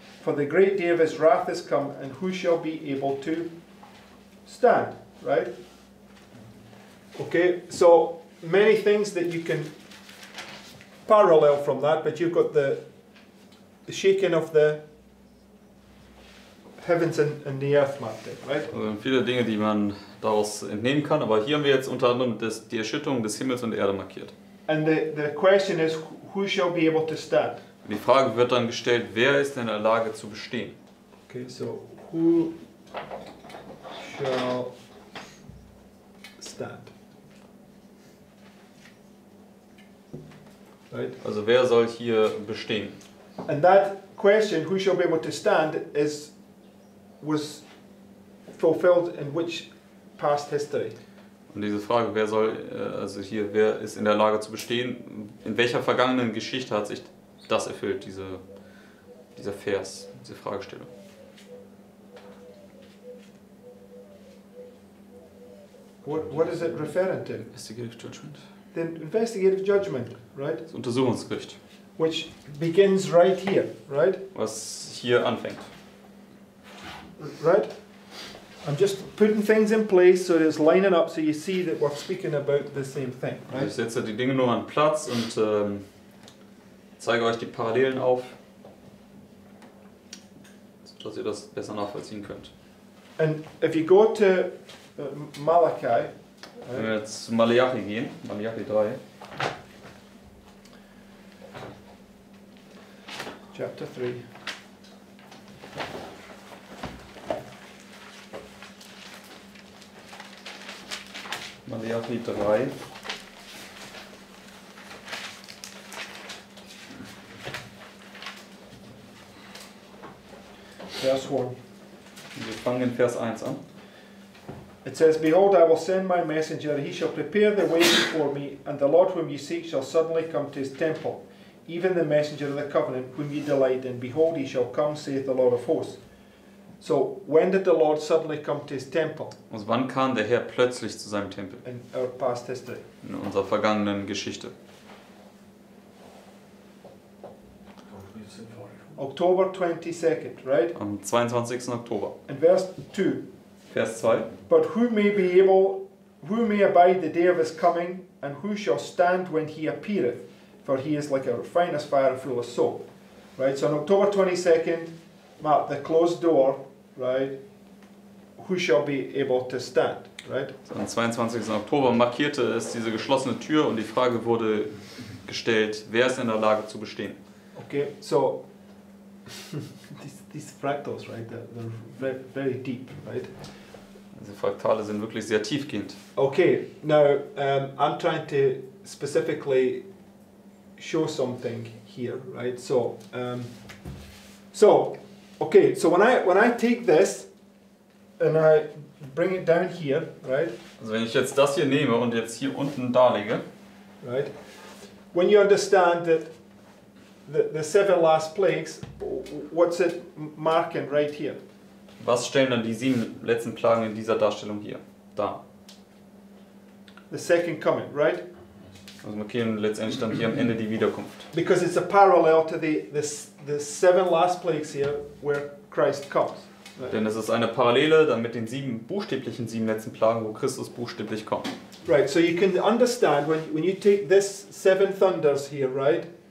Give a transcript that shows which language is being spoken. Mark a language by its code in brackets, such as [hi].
[en] For the great day of his wrath is come, and who shall be able to stand? Right? Okay, so many things that you can parallel from that, but you've got the shaking of the heavens and the earth, Martin, right? [de] Also viele Dinge, die man daraus entnehmen kann. Aber hier haben wir jetzt unter anderem das, die Erschütterung des Himmels und der Erde markiert. [en] And the question is, who shall be able to stand? [de] Die Frage wird dann gestellt, wer ist in der Lage zu bestehen? [en] Okay, so who shall stand? [de] Right. Also wer soll hier bestehen? [en] And that question, who shall be able to stand, is was fulfilled in which past history? [de] Und diese Frage, wer soll, also hier, wer ist in der Lage zu bestehen, in welcher vergangenen Geschichte hat sich das erfüllt, diese, dieser Vers, diese Fragestellung? [en] What is it referring to? Investigative Judgment. The Investigative Judgment, right? [de] Das Untersuchungsgericht. [en] Which begins right here, right? [de] Was hier anfängt. [en] Right? I'm just putting things in place so it's lining up so you see that we're speaking about the same thing, right? [de] Ich setze die Dinge nur an Platz und zeige euch die Parallelen auf, sodass ihr das besser nachvollziehen könnt. [en] And if you go to Malachi, [de] wenn wir jetzt zu Malachi gehen, Malachi 3, [en] Chapter 3. Malachi 3. [de] Vers 1. Wir fangen in Vers 1 an. [en] It says, Behold, I will send my messenger, he shall prepare the way before me, and the Lord whom you seek shall suddenly come to his temple, even the messenger of the covenant whom you delight in. Behold, he shall come, saith the Lord of hosts. So, when did the Lord suddenly come to his temple? [de] Und wann kam der Herr plötzlich zu seinem Tempel? [en] In our past history. [de] In unserer vergangenen Geschichte. [en] October 22nd, right? [de] Am 22. Oktober. In Vers 2. Vers 2. [en] But who may be able, who may abide the day of his coming, and who shall stand when he appeareth? For he is like a refiner's fire full of soap. Right, so on October 22nd, mark the closed door, right? Who shall be able to stand, right? [de] So am 22. Oktober markierte es diese geschlossene Tür und die Frage wurde gestellt, wer ist in der Lage zu bestehen? [en] Okay, so, these fractals, right, they're very, very deep, right? [de] Diese Fraktale sind wirklich sehr tiefgehend. [en] Okay, now, I'm trying to specifically show something here, right? So, okay, so when I take this and I bring it down here, right? [de] Also wenn ich jetzt das hier nehme und jetzt hier unten darlege, [en] right? When you understand that the seven last plagues, what's it marking right here? [de] Was stellen dann die sieben letzten Plagen in dieser Darstellung hier da? [en] The second coming, right? [de] Also markieren letztendlich dann hier am Ende die Wiederkunft. [en] Because it's a parallel to the seven last plagues here where Christ comes. Right? [de] Denn es ist eine Parallele dann mit den sieben buchstäblichen sieben letzten Plagen, wo Christus buchstäblich kommt. [en] Right, so you can understand when you take this seven thunders here, right?